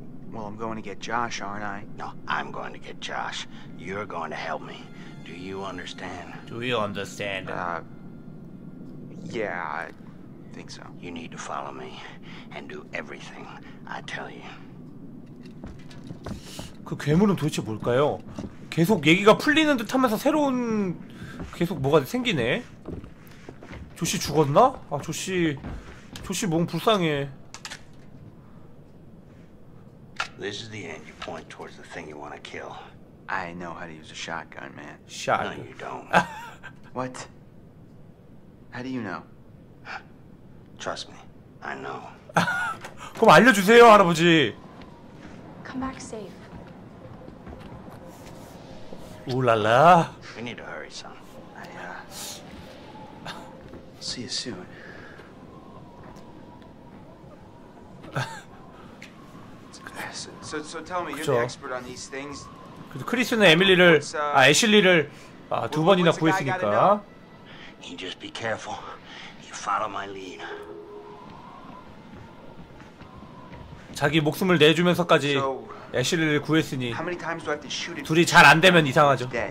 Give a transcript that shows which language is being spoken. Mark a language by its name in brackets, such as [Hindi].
[English] Well, I'm going to get Josh, aren't I? No, I'm going to get Josh. You're going to help me. Do you understand? Do you understand? Yeah, I think so. You need to follow me and do everything I tell you. [Korean] 그 괴물은 도대체 뭘까요? 계속 얘기가 풀리는 듯하면서 새로운 계속 뭐가 생기네. 조시 죽었나? 아, 조시 몸 불쌍해. [English] This is the end. You point towards the thing you want to kill. I know how to use a shotgun, man. Shotgun. No, you don't. What? How do you know? Trust me. I know. [Korean] 그럼 알려주세요, 할아버지. [English] Come back safe. [Korean] 우랄라. [English] We need to hurry, son. See you soon. [Korean] 그쵸. [English] So tell me, you're the expert on these things. [Korean] 그래도 크리스는 에밀리를 애슐리를 두 번이나 구했으니까. [English] You just be careful. You follow my lead. [Korean] 자기 목숨을 내주면서까지 애슐리를 구했으니 둘이 잘 안 되면 이상하죠.